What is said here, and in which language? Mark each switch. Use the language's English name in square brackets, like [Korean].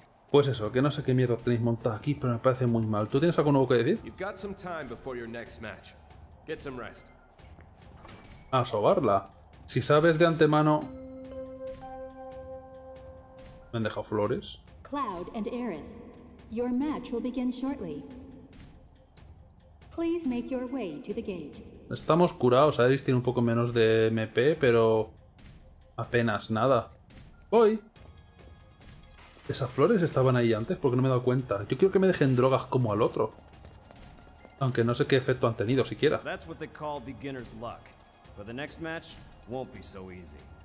[Spanish] Pues eso, que no sé qué mierda tenéis montada aquí, pero me parece muy mal. ¿Tú tienes algo nuevo que decir? [English] You've got some time before your next match. Get some rest. [Spanish] A sobarla. Si sabes de antemano... ¿Me han dejado flores? [English] Cloud and Aerith, your match will begin shortly. Please make your way to the gate. [Spanish] Estamos curados, Aerith tiene un poco menos de MP, pero apenas nada. ¡Voy! Esas flores estaban ahí antes, porque no me he dado cuenta. Yo quiero que me dejen drogas como al otro. Aunque no sé qué efecto han tenido siquiera. [English] That's what they call beginner's luck. For the next match, won't be so easy.